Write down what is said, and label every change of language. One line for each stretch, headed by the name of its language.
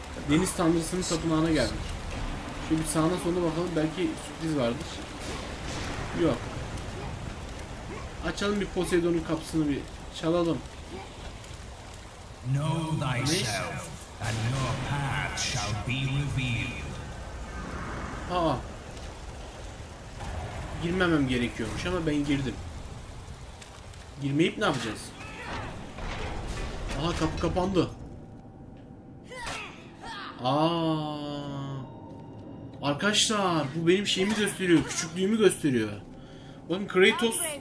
Turkish: Deniz tanrısının tapınağına geldik. Şimdi sağına sonuna bakalım, belki sürpriz vardır. Yok. Açalım bir Poseidon'un kapısını, bir çalalım.
English: Know thyself and your path shall be revealed. Aa.
Turkish: Girmemem gerekiyormuş ama ben girdim. Girmeyip ne yapacağız? Aha, kapı kapandı. Aa. Arkadaşlar, bu benim şeyimi gösteriyor, küçüklüğümü gösteriyor. Bakın Kratos.